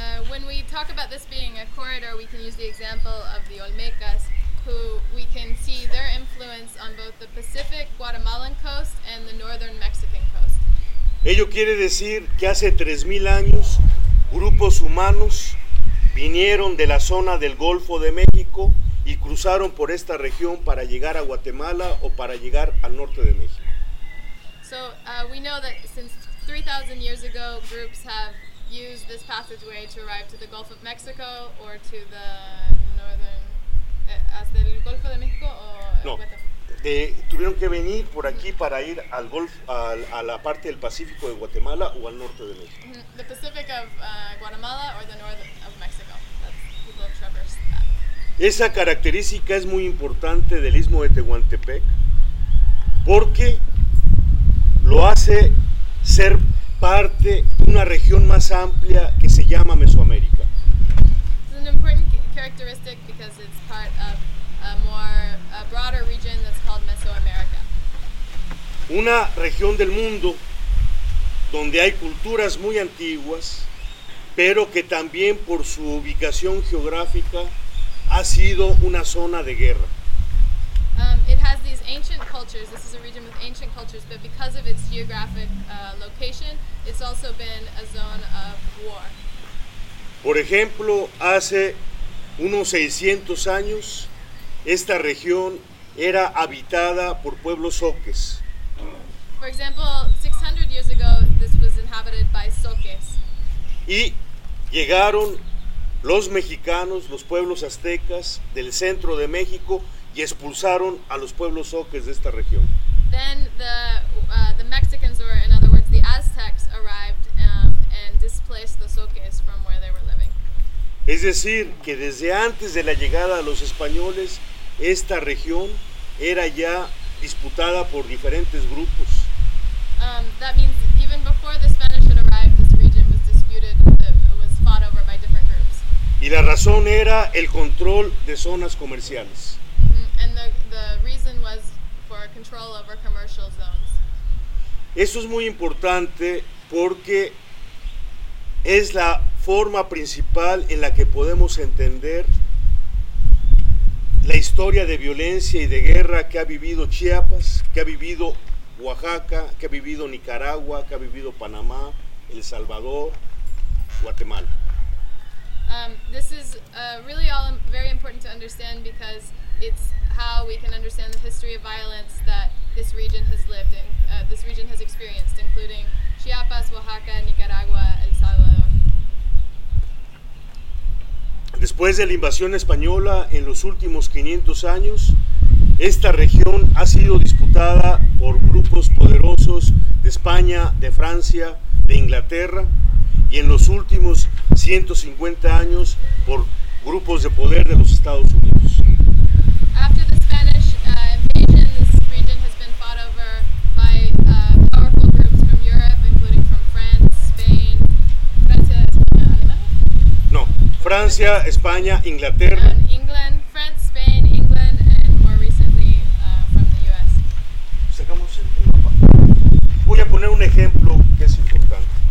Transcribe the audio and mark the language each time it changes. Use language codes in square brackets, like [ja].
[en] When we talk about this being a corridor, we can use the example of the Olmecas, who we can see their influence on both the Pacific Guatemalan coast and the Northern Mexican coast. [es] Ello quiere decir que hace 3,000 años grupos humanos vinieron de la zona del Golfo de México y cruzaron por esta región para llegar a Guatemala o para llegar al norte de México. [en] So we know that since 3,000 years ago groups have used this passageway to arrive to the Gulf of Mexico or to the northern [es] hasta el Golfo de México o no. Tuvieron que venir por aquí para ir al Golfo, a la parte del Pacífico de Guatemala o al norte de México. [en] The Pacific of Guatemala or the north of Mexico. That's people traverse that. [es] Esa característica es muy importante del Istmo de Tehuantepec porque lo hace ser parte de una región más amplia que se llama Mesoamérica. [en] It's an important characteristic because it's part of a broader region that's called Mesoamerica. [es] Una región del mundo donde hay culturas muy antiguas, pero que también por su ubicación geográfica ha sido una zona de guerra. [en] It has these ancient cultures. This is a region with ancient cultures, but because of its geographic location, it's also been a zone of war. [es] Por ejemplo, hace unos 600 años, esta región era habitada por pueblos soques. [en] For example, 600 years ago, this was inhabited by soques. [es] Y llegaron los mexicanos, los pueblos aztecas del centro de México y expulsaron a los pueblos soques de esta región. [en] Then the Mexicans, or in other words, the Aztecs arrived and displaced the soques from where they were living. [es] Es decir, que desde antes de la llegada de los españoles, esta región era ya disputada por diferentes grupos. [en] That means even before the Spanish had arrived, this region was disputed, was fought over by different groups. [es] Y la razón era el control de zonas comerciales. [en] And the reason was for control over commercial zones. [es] Eso es muy importante porque es la forma principal en la que podemos entender la historia de violencia y de guerra que ha vivido Chiapas, que ha vivido Oaxaca, que ha vivido Nicaragua, que ha vivido Panamá, El Salvador, Guatemala. [en] This is really all very important to understand because it's how we can understand the history of violence that this region has lived in, this region has experienced, including Chiapas, Oaxaca, Nicaragua, El Salvador. [es] Después de la invasión española en los últimos 500 años, esta región ha sido disputada por grupos poderosos de España, de Francia, de Inglaterra, y en los últimos 150 años por grupos de poder de los Estados Unidos. [en] After the Spanish invasion, this region has been fought over by powerful groups from Europe, including from France, Spain, Francia, España, Alemania? [es] No, Francia, España, Inglaterra. [en] England, France, Spain, England, and more recently from the US. [es] Sacamos el mapa. Voy a poner un ejemplo que es importante.